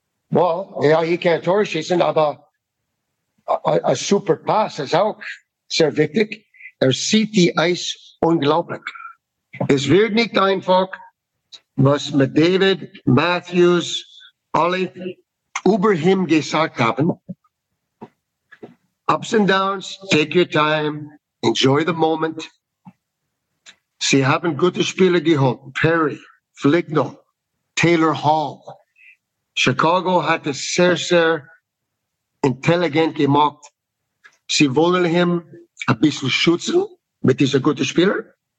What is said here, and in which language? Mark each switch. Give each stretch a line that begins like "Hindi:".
German: Well, ja, ich kann Tore schießen, aber ein super Pass ist auch sehr wichtig. Er sieht die Eis unglaublich. Es wird nicht einfach, was mit David, Matthews, alle über ihm gesagt haben.
English: Ups and downs, take your time, enjoy the moment.
German: Sie haben gute Spieler geholt. Perry, Fligno, Taylor Hall. Chicago hat es sehr, sehr intelligent gemacht. Sie wollen ihn ein bisschen schützen mit dieser guten Spieler.